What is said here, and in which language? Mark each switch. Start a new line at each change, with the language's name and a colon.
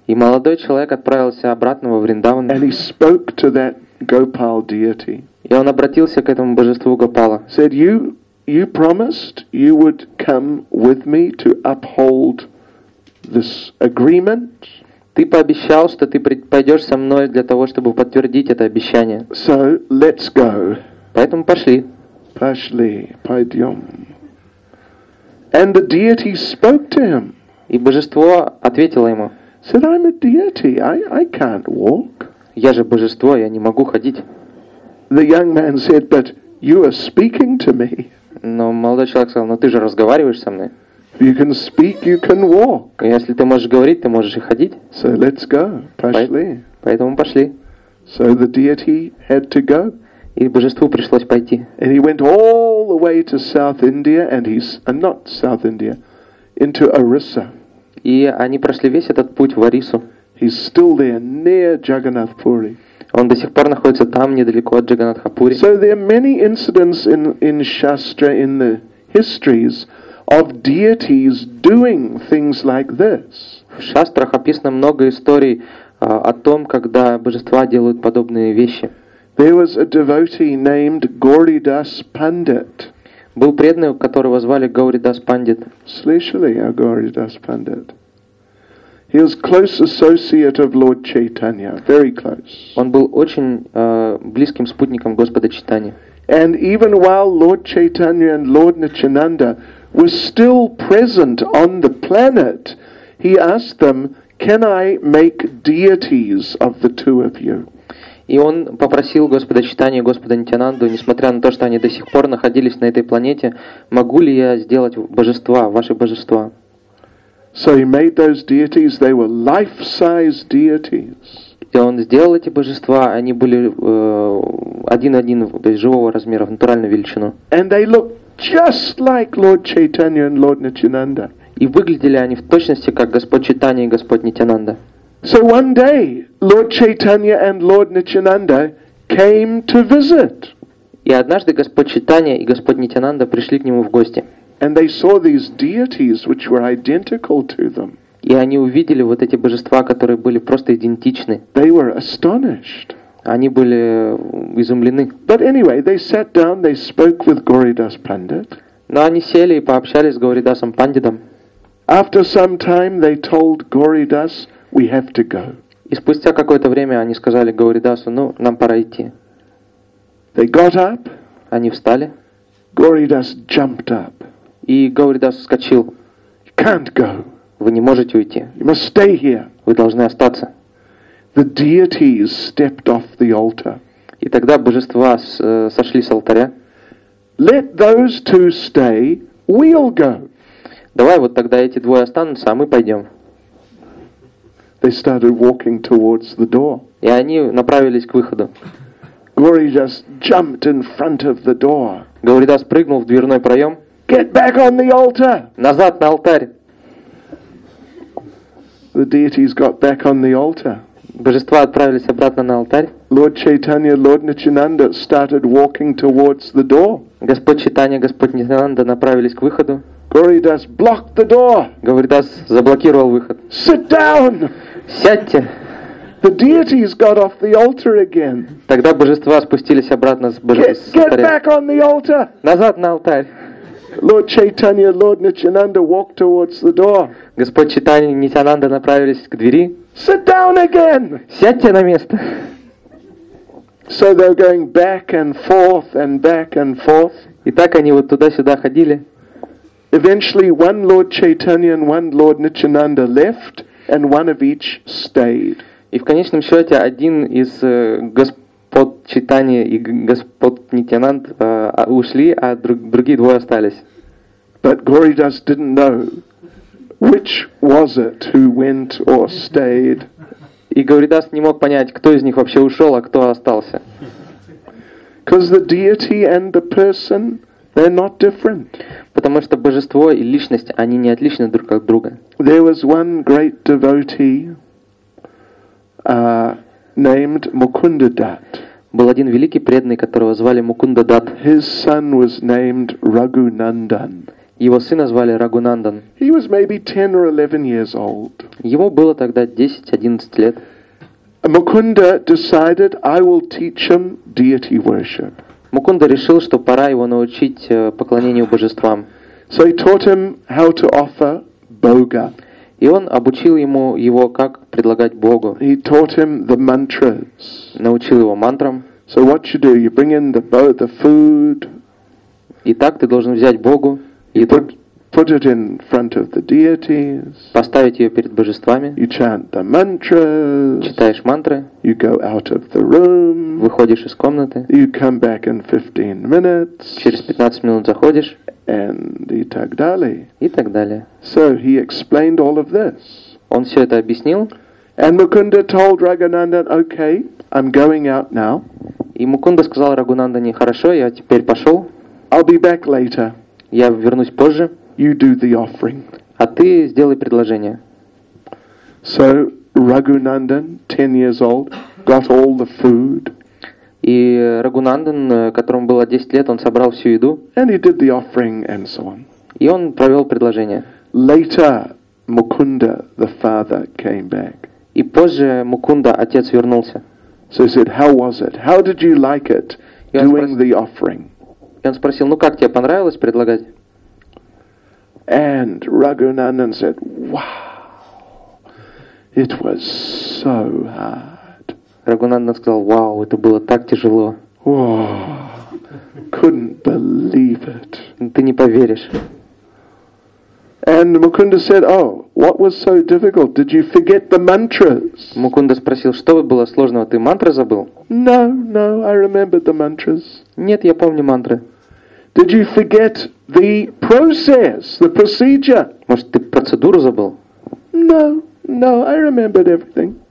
Russian: И молодой человек отправился обратно во Вриндаван.
English: And he spoke to that Gopal deity.
Russian: И он обратился к этому божеству Гопала.
English: Said, "You promised you would come with me to uphold this agreement."
Russian: Ты пообещал, что ты пойдешь со мной для того, чтобы подтвердить это обещание.
English: So let's go.
Russian: Поэтому пошли. Пошли, пойдем.
English: And the deity spoke to him.
Russian: И божество ответило ему.
English: Said, "I'm a deity. I can't walk."
Russian: Я же божество, я не могу ходить.
English: The young man said, "But you are speaking to me."
Russian: Но молодой человек сказал: "Но ты же разговариваешь со мной."
English: If you can speak, you can walk.
Russian: Если ты можешь говорить, ты можешь и ходить.
English: So let's go.
Russian: Пошли. Поэтому пошли.
English: So the deity had to go.
Russian: И божеству пришлось пойти.
English: And he went all the way to South India, and he's not South India, into Orissa.
Russian: И они прошли весь этот путь в Орису.
English: He's still there, near Jagannath Puri.
Russian: Он до сих пор находится там, недалеко от Джаганатхапури.
English: So there are many incidents in Shastra, in the histories, of deities doing things like this.
Russian: В шастрах описано много историй о том, когда божества делают подобные вещи.
English: There was a devotee named Gauridas Pandit.
Russian: Был преданный, которого звали Gauridas Pandit.
English: Slishali, a Gauridas Pandit. He was close associate of Lord Chaitanya, very close.
Russian: Он был очень близким спутником Господа Чайтаньи.
English: And even while Lord Chaitanya and Lord Nityananda was still present on the planet, he asked them, "Can I make deities of the two of you?"
Russian: И он попросил Господа Чайтанью и Господа Нитянанду, несмотря на то, что они до сих пор находились на этой планете, могу ли я сделать божества, ваши божества?
English: So he made those deities. They were life-size deities.
Russian: И он сделал эти божества, они были один-один, то есть живого размера, в натуральную величину.
English: And they look just like Lord Chaitanya and Lord Nityananda.
Russian: И выглядели они в точности как Господь Чайтанья и Господь Нитянанда.
English: So one day, Lord Chaitanya and Lord Nityananda came to visit.
Russian: И однажды Господь Чайтанья и Господь Нитянанда пришли к нему в гости.
English: And they saw these deities, which were identical to them.
Russian: И они увидели вот эти божества, которые были просто идентичны.
English: They were astonished.
Russian: Они были изумлены.
English: But anyway, they sat down, they spoke with Gauridas Pandit.
Russian: Но они сели и пообщались с Гауридасом Пандитом.
English: After some time, they told Gauridas, "We have to go."
Russian: И спустя какое-то время они сказали Гауридасу: "Ну, нам пора идти."
English: They got up.
Russian: Они встали.
English: Gauridas jumped up.
Russian: И Гауридас вскочил.
English: "Can't go.
Russian: Вы не можете уйти.
English: You must stay here.
Russian: Вы должны остаться."
English: The deities stepped off the altar.
Russian: И тогда божества сошли с алтаря.
English: "Let those two stay. We'll go."
Russian: Давай вот тогда эти двое останутся, а мы пойдем.
English: They started walking towards the door.
Russian: И они направились к выходу.
English: Gauri just jumped in front of the door.
Russian: Гауридас прыгнул в дверной проем.
English: Get back on the altar.
Russian: Назад на алтарь.
English: The deities got back on the altar.
Russian: Божества отправились обратно на алтарь.
English: Lord Chaitanya, Lord Nityananda started walking towards the door.
Russian: Господь Чайтанья, Господь Нитянанда направились к выходу.
English: Gauridas blocked the door.
Russian: Gauridas заблокировал выход.
English: Sit down.
Russian: Сядьте.
English: The deities got off the altar again.
Russian: Тогда божества спустились обратно с божества.
English: Get back on the altar.
Russian: Назад на алтарь.
English: Lord Chaitanya, Lord Nityananda walked towards the door.
Russian: Господь Чайтанья и Нитянанда направились к двери.
English: Sit down again.
Russian: Сядьте на место.
English: So they're going back and forth and back and forth.
Russian: И так они вот туда-сюда ходили.
English: Eventually, one Lord Chaitanya and one Lord Nityananda left, and one of each stayed.
Russian: И в конечном счете один из Господ Чайтанья и Господ Нитянанд ушли, а другие двое остались.
English: But Gauridas didn't know which was it who went or stayed.
Russian: И Гауридас не мог понять, кто из них вообще ушел, а кто остался.
English: Because the deity and the person, they're not different.
Russian: Потому что божество и личность, они не отличны друг от друга.
English: There was one great devotee named Mukundadat.
Russian: Был один великий преданный, которого звали Мукундадат.
English: His son was named Raghunandan.
Russian: Его сына звали Рагунандан.
English: He was maybe 10 or 11 years old.
Russian: Ему было тогда 10-11 лет.
English: Mukunda decided I will teach him deity worship.
Russian: Мукунда решил, что пора его научить поклонению божествам.
English: So he taught him how to offer boga.
Russian: И он обучил ему его, как предлагать Богу.
English: He taught him the mantras.
Russian: Научил его мантрам.
English: So what you do? You bring in the food.
Russian: Итак, ты должен взять Богу.
English: You put it in front of the deities.
Russian: Поставить ее перед божествами.
English: You chant the mantras.
Russian: Читаешь мантры.
English: You go out of the room.
Russian: Выходишь из комнаты.
English: You come back in 15 minutes.
Russian: Через 15 минут заходишь.
English: And
Russian: и так далее. И так далее.
English: So he explained all of this.
Russian: Он все это объяснил.
English: And Mukunda told Raghunandan, "Okay, I'm going out now."
Russian: И Мукунда сказал Рагунандане, "Хорошо, я теперь пошел."
English: I'll be back later.
Russian: Я вернусь позже.
English: You do the offering.
Russian: А ты сделай предложение.
English: So Raghunandan, 10 years old, got all the food.
Russian: И Рагунандан, которому было 10 лет, он собрал всю еду.
English: And he did the offering and so on.
Russian: И он провел предложение.
English: Later, Mukunda, the father, came back.
Russian: И позже Мукунда, отец, вернулся.
English: So he said, "How was it? How did you like it doing the offering?"
Russian: И он спросил, ну как тебе понравилось предлагать?
English: And Raghunandan said, "Wow, it was so hard."
Russian: Рагунандан сказал, вау, это было так тяжело.
English: Couldn't believe it.
Russian: Ты не поверишь.
English: And Mukunda said, "Oh, what was so difficult? Did you forget the mantras?"
Russian: Мукунда спросил, что было сложного, ты мантры забыл?
English: No, I remembered the mantras.
Russian: Нет, я помню мантры.
English: Did you forget the process, the procedure?
Russian: Может, ты процедуру забыл?
English: No, I remembered everything.